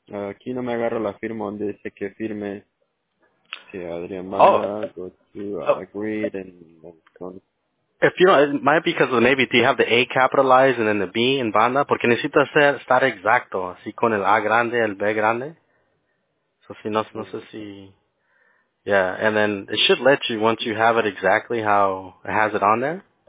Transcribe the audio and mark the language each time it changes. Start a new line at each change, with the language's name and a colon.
Spanish: Aquí no me agarro la firma donde dice que firme. Sí, Adrián Oh.
English: Mara, go to agreed and If you know, it might be because of maybe, do you have the A capitalized and then the B in banda?
Spanish: Porque necesitas estar exacto, así con el A grande, el B grande. So, si no sé si.
English: Yeah, and then it should let you, once you have it exactly how it has it on there.